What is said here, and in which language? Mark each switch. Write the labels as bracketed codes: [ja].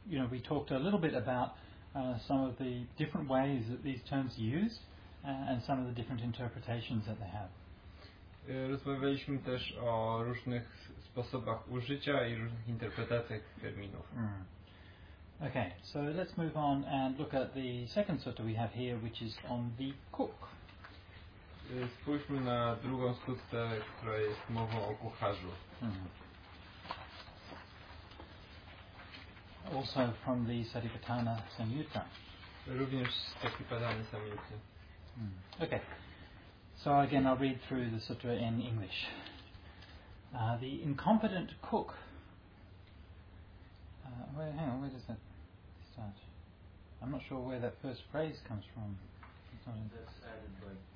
[en] We talked a little bit about some of the different ways that these terms are used and some of the different interpretations that they have. [pl] Rozmawialiśmy też o różnych sposobach użycia i różnych interpretacjach terminów. [en] Okay, so let's move on and look at the second sutta we have here, which is on the cook. [pl] Spójrzmy na drugą sutę, która jest mową o kucharzu. [en] Also from the Satipatthana Samyutta. [pl] Również z Satipatthana Samyutta. [en] Okay, so again I'll read through the sutra in English. The incompetent cook. Where does that start? I'm not sure where that first phrase comes from. It's not in that's added by.